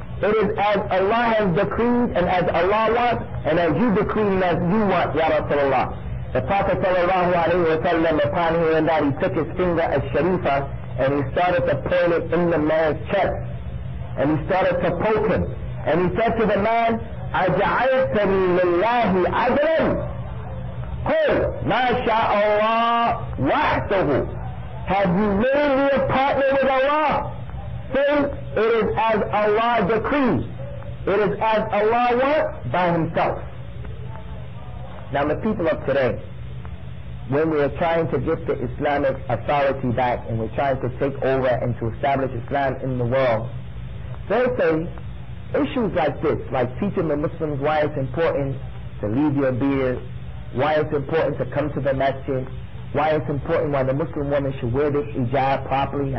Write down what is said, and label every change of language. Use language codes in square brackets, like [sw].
[en] It is as Allah has decreed and as Allah wants and as you decree and as you want, Ya Rasulullah. The Prophet sallallahu alayhi wa sallam, upon hearing that, he took his finger as Sharifa and he started to point it in the man's chest. And he started to poke him. And he said to the man, [ar] أَجْعَلْتَنِ لِلَّهِ عَدْلًا قُلْ مَا شَاءَ اللَّهُ وَحْدَهُ. [en] Have you made me a partner with Allah? Say, it is as Allah decrees. It is as Allah wants by himself. Now the people of today, when we are trying to get the Islamic authority back and we're trying to take over and to establish Islam in the world, they say issues like this, like teaching the Muslims why it's important to leave your beard, why it's important to come to the masjid, why it's important why the Muslim woman should wear this hijab properly.